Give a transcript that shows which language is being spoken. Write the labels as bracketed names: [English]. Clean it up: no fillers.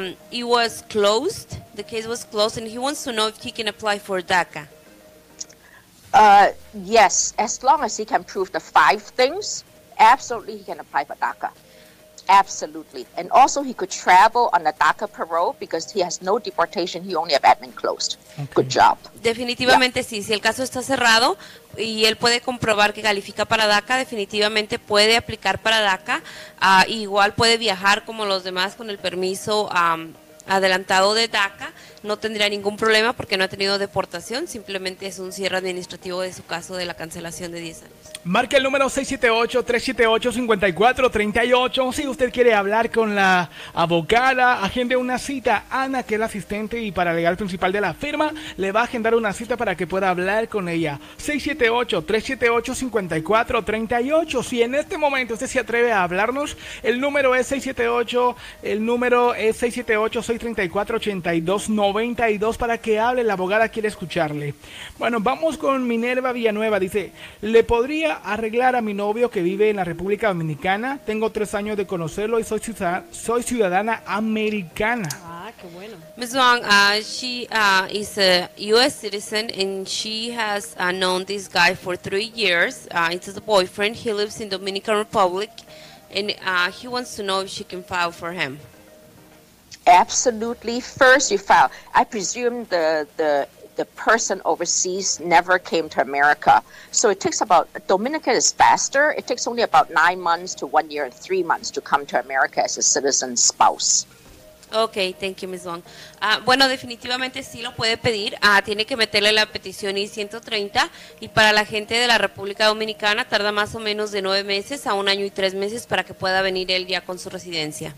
[English] It was closed, the case was closed, and he wants to know if he can apply for DACA. Yes, as long as he can prove the 5 things, absolutely he can apply for DACA. Absolutely. And also he could travel on a DACA parole because he has no deportation, he only have admin closed. Okay. Good job. [Spanish] Definitivamente, yeah. Sí, si el caso está cerrado y él puede comprobar que califica para DACA, definitivamente puede aplicar para DACA. Igual puede viajar como los demás con el permiso adelantado de DACA, no tendría ningún problema porque no ha tenido deportación, simplemente es un cierre administrativo de su caso de la cancelación de 10 años. Marque el número 678-378-5438 si usted quiere hablar con la abogada, agende una cita. Ana, que es la asistente y paralegal principal de la firma, le va a agendar una cita para que pueda hablar con ella. 678-378-5438. Si en este momento usted se atreve a hablarnos, el número es 678-634-8292 para que hable, la abogada quiere escucharle. Bueno, vamos con Minerva Villanueva, dice, ¿le podría arreglar a mi novio que vive en la República Dominicana? Tengo 3 años de conocerlo y soy ciudadana americana. [English] Ms. Wong, she is a U.S. citizen and she has known this guy for 3 years. It's a boyfriend. He lives in Dominican Republic and he wants to know if she can file for him. Absolutely. First you file. I presume the person overseas never came to America. So it takes about, Dominica is faster. It takes only about 9 months to 1 year and 3 months to come to America as a citizen spouse. Okay, thank you, Ms. Wong. [Spanish] Bueno, definitivamente sí lo puede pedir. Tiene que meterle la petición I-130 y para la gente de la República Dominicana tarda más o menos de 9 meses a 1 año y 3 meses para que pueda venir él ya con su residencia.